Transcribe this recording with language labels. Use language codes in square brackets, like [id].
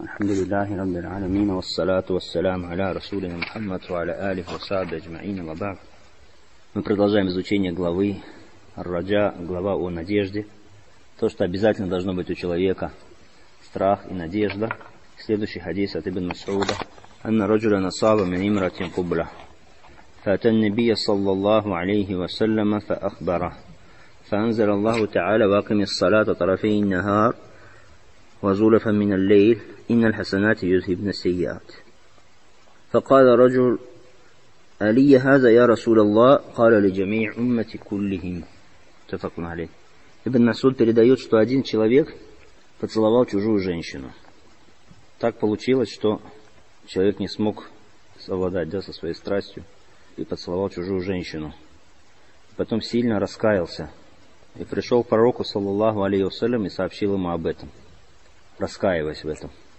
[ar] الحمد لله رب العالمين، والصلاة والسلام على رسولنا محمد وعلى آله وصحبه أجمعين. وبعد، [ru] мы продолжаем изучение главы Ар-Раджа, глава о надежде. То, что обязательно должно быть у человека, страх и надежда. Следующий хадис от Ибн Масуда: [ar] أن رجلا أصاب من إمرأة قبلة فأتى النبي صلى الله عليه وسلم فأخبره فأنزل الله تعالى واقم الصلاة طرفي النهار وزلفا من الليل إن الحسنات يذهبن السيئات. فقال رجل: ألي هذا يا رسول الله؟ قال: لجميع أمتي كلهم. تفقنا عليه. [ru] Ибн Масуд передает, что один человек поцеловал чужую женщину. Так получилось, что человек не смог совладать, да, со своей страстью и поцеловал чужую женщину. Потом сильно раскаялся и пришел к пророку, саллаллаху алейхи вассалям, и сообщил ему об этом, раскаиваясь в этом.